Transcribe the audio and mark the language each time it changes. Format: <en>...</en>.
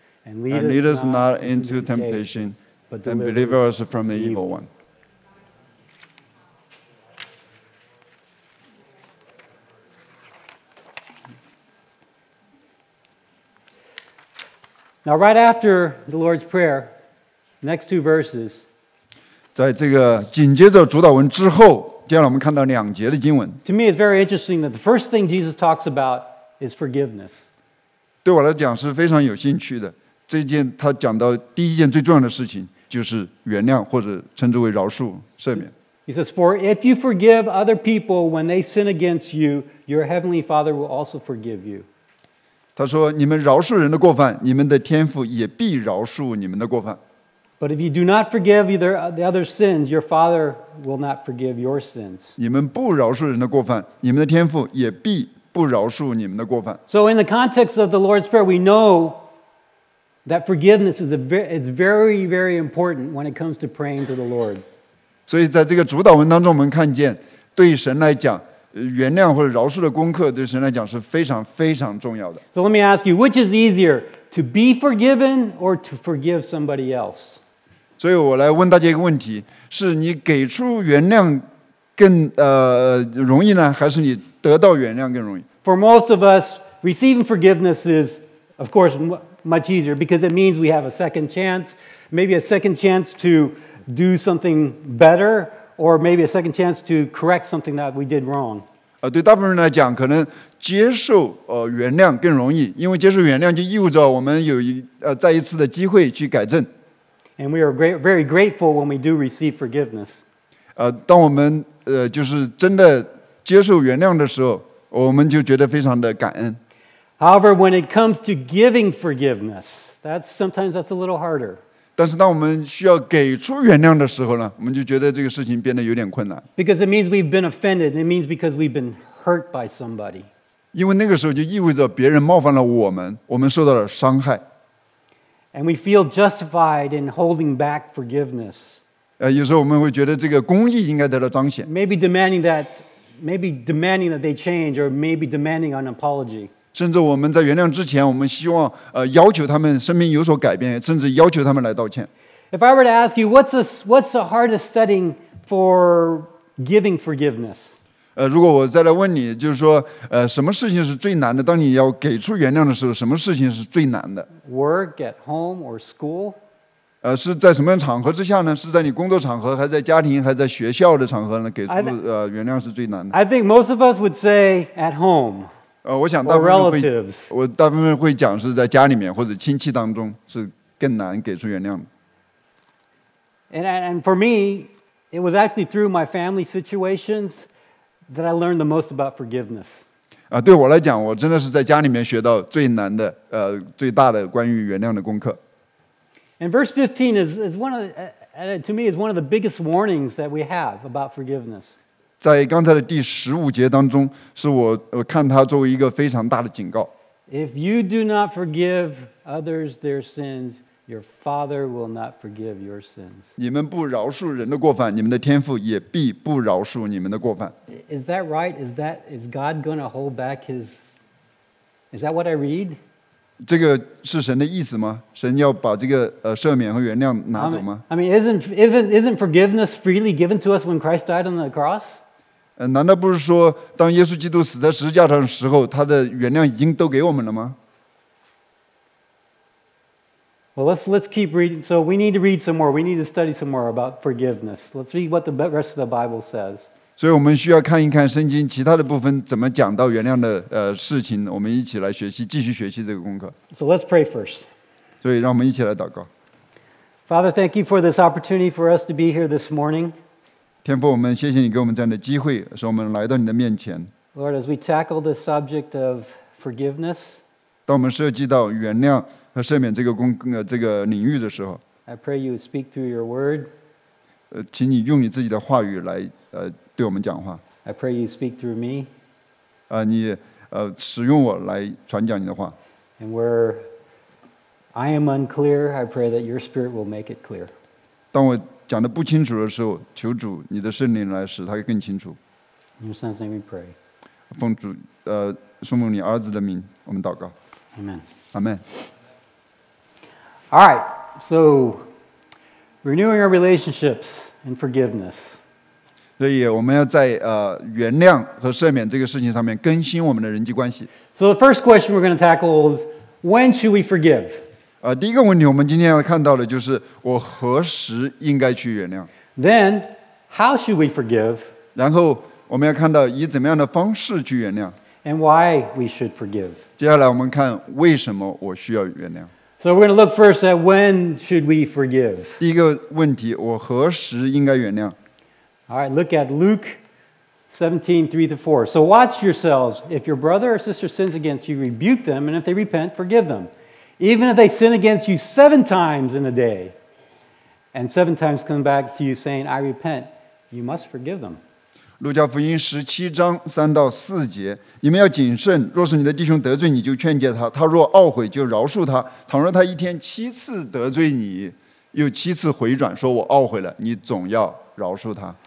<en>And lead us not into temptation, but deliver us from the evil one. Now, right after the Lord's Prayer, next two verses.</en> <zh>在这个紧接着主导文之后。接下来我们看到两节的经文。</zh> <en>To me, it's very interesting that the first thing Jesus talks about is forgiveness.</en> <zh>对我来讲是非常有兴趣的。这件他讲到第一件最重要的事情就是原谅，或者称之为饶恕、赦免。</zh> <en>He says, "For if you forgive other people when they sin against you, your heavenly Father will also forgive you."</en> <zh>他说：“你们饶恕人的过犯，你们的天父也必饶恕你们的过犯。”</zh> <en>But if you do not forgive either the other sins, your Father will not forgive your sins.</en> <zh>你们不饶恕人的过犯，你们的天父也必不饶恕你们的过犯。</zh> <en>So in the context of the Lord's Prayer, we know that forgiveness is it's very, very important when it comes to praying to the Lord.</en> <zh>所以在这个主导文当中，我们看见对神来讲，原谅或者饶恕的功课对神来讲是非常非常重要的。</zh> <en>So let me ask you, which is easier, to be forgiven or to forgive somebody else?</en> <zh>所以我来问大家一个问题，是你给出原谅更容易呢，还是你得到原谅更容易？</zh> <en>For most of us, receiving forgiveness is, of course, much easier because it means we have a second chance, maybe a second chance to do something better, or maybe a second chance to correct something that we did wrong.</en> <zh>对大部分人来讲，可能接受原谅更容易，因为接受原谅就意味着我们有再一次的机会去改正。</zh> <en>And we are very grateful when we do receive forgiveness.</en> <zh>当我们就是真的接受原谅的时候，我们就觉得非常的感恩。</zh> <en>However, when it comes to giving forgiveness, that's sometimes a little harder.</en> <zh>但是当我们需要给出原谅的时候呢，我们就觉得这个事情变得有点困难。</zh> <en>Because it means we've been offended. It means because we've been hurt by somebody.</en> <zh>因为那个时候就意味着别人冒犯了我们，我们受到了伤害。</zh> <en>And we feel justified in holding back forgiveness.</en> <zh>有时候我们会觉得这个公义应该得到彰显。</zh> <en>Maybe demanding that they change, or maybe demanding an apology.</en> <zh>甚至我们在原谅之前，我们希望要求他们生命有所改变，甚至要求他们来道歉。</zh> <en>If I were to ask you, what's the hardest setting for giving forgiveness?</en> <zh>如果我再来问你，就是说，什么事情是最难的？当你要给出原谅的时候，什么事情是最难的</zh> <en>？Work at home or school？</en> <zh>是在什么样场合之下呢？是在你工作场合，还在家庭，还在学校的场合呢？给出原谅是最难的。</zh> <en>I think most of us would say at home。</en> <zh>我想大部分会，我大部分会讲是在家里面或者亲戚当中是更难给出原谅的。</zh> <en>And for me, it was actually through my family situations that I learned the most about forgiveness.</en> <zh>对我来讲，我真的是在家里面学到最难的，最大的关于原谅的功课。</zh> <en>And verse 15 is one of, to me, is one of the biggest warnings that we have about forgiveness.</en> <zh>在刚才的第十五节当中，是我看它作为一个非常大的警告。</zh> <en>If you do not forgive others their sins, your Father will not forgive your sins. 你们不饶恕人的过犯，你们的天父也必不饶恕你们的过犯。 Is that right? Is God going to hold back His? Is that what I read?</en> <zh>这个是神的意思吗？神要把这个赦免和原谅拿走吗</zh> <en>？I mean, isn't forgiveness freely given to us when Christ died on the cross?</en> <zh>难道不是说当耶稣基督死在十字架上的时候，他的原谅已经都给我们了吗？</zh> <en>Well, let's keep reading. So we need to read some more. We need to study some more about forgiveness. Let's read what the rest of the Bible says.</en> <zh>所以我们需要看一看圣经其他的部分怎么讲到原谅的事情。我们一起来学习，继续学习这个功课。</zh> <en>So let's pray first.</en> <zh>所以让我们一起来祷告。</zh> <en>Father, thank you for this opportunity for us to be here this morning.</en> <zh>天父，我们谢谢你给我们这样的机会，使我们来到你的面前。</zh> <en>Lord, as we tackle the subject of forgiveness,</en> <zh>当我们涉及到原谅。和赦免这个领域的时候</zh> <en>，I pray you speak through your word。</en> <zh>请你用你自己的话语来对我们讲话。</zh> <en>I pray you speak through me。</en> <zh>你使用我来传讲你的话。</zh> <en>And where I am unclear, I pray that your spirit will make it clear。</en> <zh>当我讲的不清楚的时候，求主你的圣灵来使它更清楚。</zh> <en>In your son's name we pray。</en> <zh>奉主顺奉你儿子的名，我们祷告。</zh> <en>Amen。 Amen。 All right, so renewing our relationships and forgiveness.</en> <zh>所以我们要在原谅和赦免这个事情上面更新我们的人际关系。</zh> <en>So the first question we're going to tackle is when should we forgive?</en> <zh>第一个问题我们今天要看到的就是我何时应该去原谅。</zh> <en>Then how should we forgive?</en> <zh>然后我们要看到以怎么样的方式去原谅。</zh> <en>And why we should forgive?</en> <zh>接下来我们看为什么我需要原谅。</zh> <en>So we're going to look first at when should we forgive?</en> <zh>第一个问题，我何时应该原谅？</zh> <en>All right, look at Luke 17:3-4. So watch yourselves. If your brother or sister sins against you, rebuke them, and if they repent, forgive them. Even if they sin against you seven times in a day, and seven times come back to you saying, I repent, you must forgive them.</en> <zh>路加福音十七章三到四节，你们要谨慎。若是你的弟兄得罪你，就劝诫他；他若懊悔，就饶恕他。倘若他一天七次得罪你，又七次回转，说我懊悔了，你总要饶恕他。</zh>